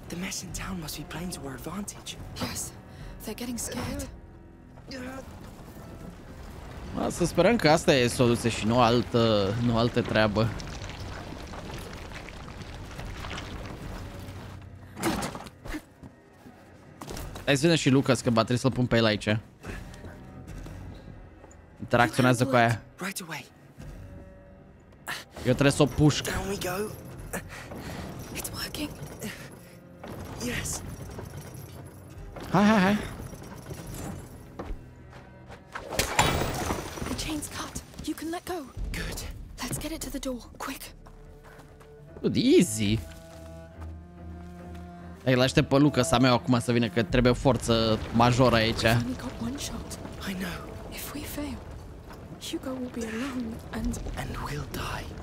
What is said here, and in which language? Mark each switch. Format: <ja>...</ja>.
<en>The mess in town must be playing to our advantage. Yes, they're getting scared.</en> <ro>Mă, să sperăm că asta e soluție și nu altă treabă. Hai să vină și Lucas, că trebuie să-l pun pe el aici. Interacționează cu aia.</ro> <en>Right away.</en> <ro>Eu trebuie să o pușc.</ro> <en>Down we go. It's working. Yes.</en> <ro>Hai.</ro> <en>The chain's cut. You can let go. Good. Let's get it to the door, quick. Dude, easy.</en> <ro>Ei, hey, l-aștept pe Lucas a meu acum să vină, că trebuie forță majoră aici.</ro> <en>I know. If we fail, Hugo will be alone and we'll die.</en>